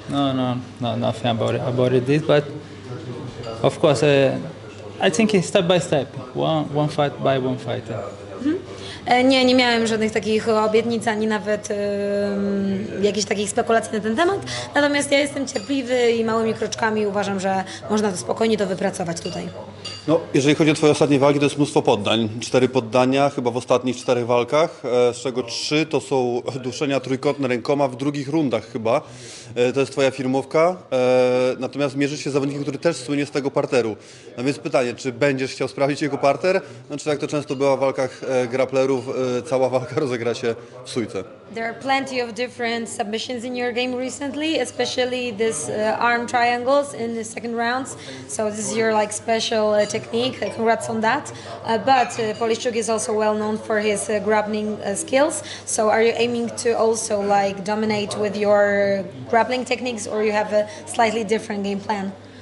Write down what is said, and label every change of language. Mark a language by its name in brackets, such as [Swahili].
[English] No, nothing about this, but of course, I think step by step, one fight by one fighter. Mm-hmm. [Polish] Nie, nie miałem żadnych takich obietnic, ani nawet jakichś takich spekulacji na ten temat. Natomiast ja jestem cierpliwy i małymi kroczkami uważam, że można to spokojnie to wypracować tutaj. No, jeżeli chodzi o twoje ostatnie walki, to jest mnóstwo poddań. 4 poddania chyba w ostatnich 4 walkach, z czego 3 to są duszenia trójkątne rękoma w drugich rundach chyba. To jest twoja firmówka. Natomiast mierzysz się z zawodnikiem, który też słynie z tego parteru. No więc pytanie, czy będziesz chciał sprawdzić jego parter? Znaczy, jak to często bywa w walkach grapplerów, cała walka rozegra się w sójce. [English] There are plenty of different submissions in your game recently, especially this arm triangles in the second rounds. So this is your like special technique. Congrats on that. But Poliszczuk is also well known for his grappling skills. So are you aiming to also like dominate with your grappling techniques, or you have a slightly different game plan?